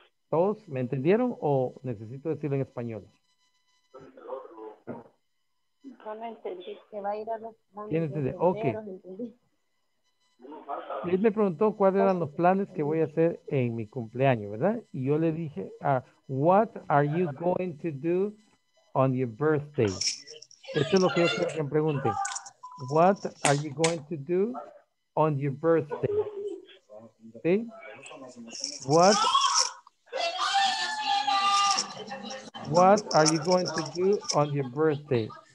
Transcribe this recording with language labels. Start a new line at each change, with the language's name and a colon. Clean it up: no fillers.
Spanish: ¿Todos me entendieron o necesito decirlo en español? No entendí. ¿Quién entendí? Ok. Él me preguntó cuáles eran los planes que voy a hacer en mi cumpleaños, ¿verdad? Y yo le dije,
English: what are you going to do on your birthday?
Spanish: Eso es lo que yo quiero que me pregunte.
English: What are you going to do on your birthday?
Spanish: ¿Sí?
English: What are you going to do on your birthday?